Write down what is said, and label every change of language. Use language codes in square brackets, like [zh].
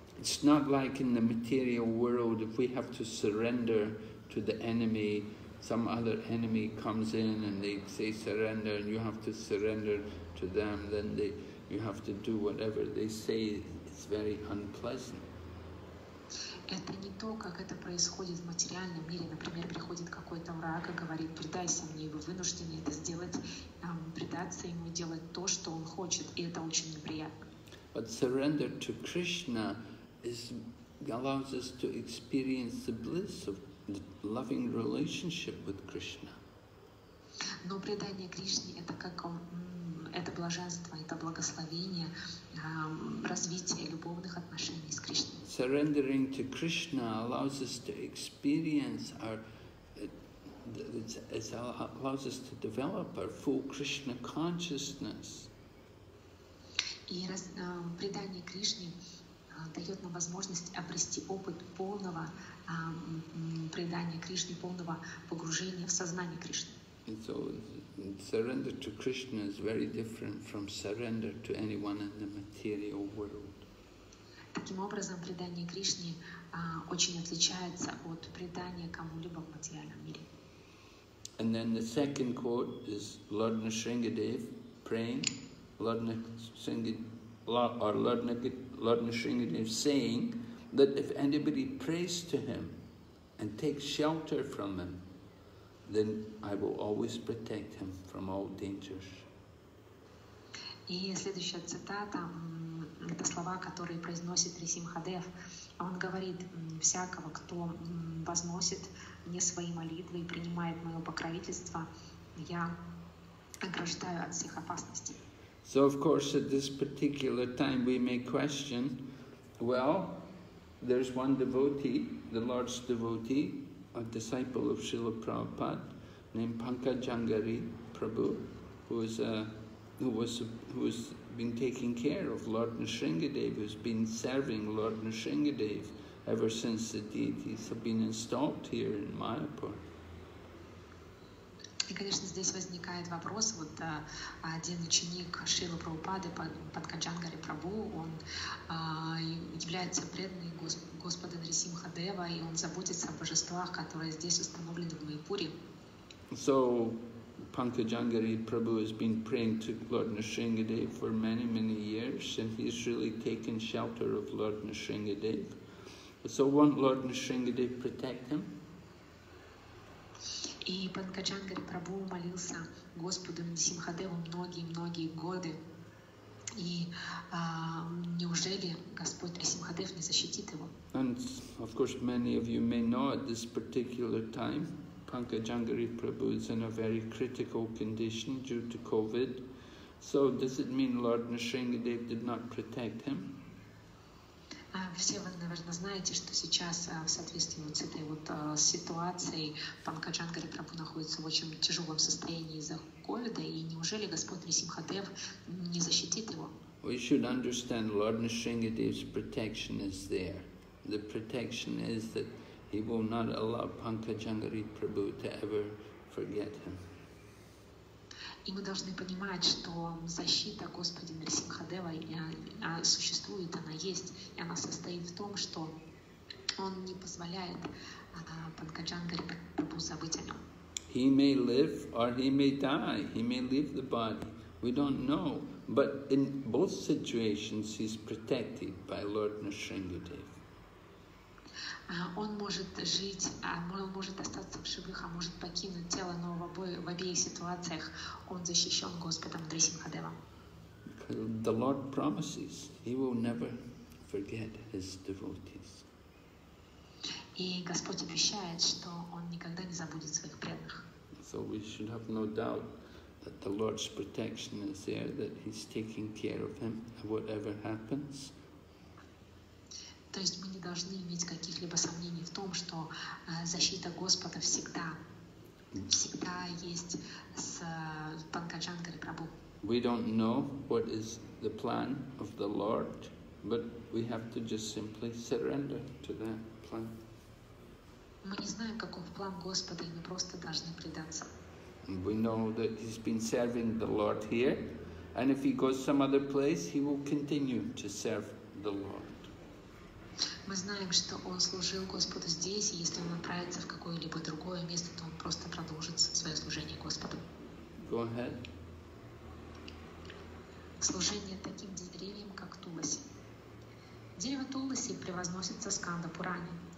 [en] It's not like in the material world if we have to surrender to the enemy. Some other enemy comes in and they say surrender and you have to surrender to them, then you have to do whatever they say. It's very unpleasant. [ru] Это не то, как это происходит в материальном мире. Например, приходит какой-то враг и говорит, предайся мне, вы вынуждены это сделать, предаться ему, делать то, что он хочет, и это очень неприятно. [en] But surrender to Krishna allows us to experience the bliss of loving relationship with Krishna. [ru] Но предание Кришне это как это блаженство, это благословение, развитие любовных отношений с Кришной. [en] Surrendering to Krishna allows us to experience allows us to develop our full Krishna consciousness. [ru] И предание Кришне дает нам возможность обрести опыт полного предания Кришне, полного погружения в сознание Кришны. [en] And so surrender to Krishna is very different from surrender to anyone in the material world. [ru] Таким образом, предание Кришне очень отличается от предания кому-либо в материальном мире. [en] And then the second quote is Lord Nrisingadev praying, Lord Nrisingadev saying that if anybody prays to him and takes shelter from him, then I will always protect him from all dangers. [ru] И следующая цитата это слова, которые произносит Рисим Хадев. Он говорит: «Всякого, кто возносит мне свои молитвы и принимает мое покровительство, я ограждаю от всех опасностей». [en] So, of course, at this particular time we may question, well, there's one devotee, the Lord's devotee, a disciple of Srila Prabhupada, named Pankajangari Prabhu, who was been taking care of Lord Nrsingadev, who's been serving Lord Nrsingadev ever since the deities have been installed here in Mayapur. [ru] И, конечно, здесь возникает вопрос, вот один ученик Шрилы Прабхупады, Панкаджангари Прабху, он является преданным Господа Нарисимхадева, и он заботится о божествах, которые здесь установлены в Майпуре. [en] So, Панкаджангари Прабху has been praying to Lord Nrsingadev for many, many years, and he's really taken shelter of Lord Nrsingadev. So, won't Lord Nrsingadev protect him? [ru] И Панкаджангари Прабху молился Господу Нарисимхадеву многие-многие годы. И неужели Господь Нарисимхадев не защитит его? [en] And of course many of you may know at this particular time Панкаджангари Прабху is in a very critical condition due to COVID. So does it mean Lord Nrsingadev did not protect him? [ru] Все вы, наверное, знаете, что сейчас в соответствии вот с этой вот ситуацией Панкаджангари Прабху находится в очень тяжелом состоянии из-за ковида, и неужели Господь Нарисимхадев не защитит его? [en] We should understand Lord Nrsingadev's protection is there. The protection is that he will not allow Pankajangari Prabhu to ever forget him. [ru] И мы должны понимать, что защита Господа Нарисимхадева существует, она есть, и она состоит в том, что он не позволяет Панкаджангари Прабху забыть о нем. [en] He may live or he may die, he may leave the body, we don't know. But in both situations he's protected by Lord Nrsingadev. [ru] Он может жить, он может остаться в живых, а может покинуть тело, но в обеих ситуациях он защищен Господом Нрсимхадевом. [en] The Lord promises he will never forget his devotees. [ru] И Господь обещает, что он никогда не забудет своих преданных. [en] So we should have no doubt that the Lord's protection is there, that he's taking care of him, whatever happens. [ru] То есть мы не должны иметь каких-либо сомнений в том, что защита Господа всегда, всегда есть с Панкаджангари Прабху. [en] We don't know what is the plan of the Lord, but we have to just simply surrender to that plan. [ru] Мы не знаем, каков план Господа, и мы просто должны предаться. [en] We know that he's been serving the Lord here, and if he goes some other place, he will continue to serve the Lord. [ru] Мы знаем, что он служил Господу здесь, и если он отправится в какое-либо другое место, то он просто продолжит свое служение Господу. [en] Go ahead. [ru] Служение таким деревьям, как Туласи. Дерево Туласи превозносится Сканда Пуране.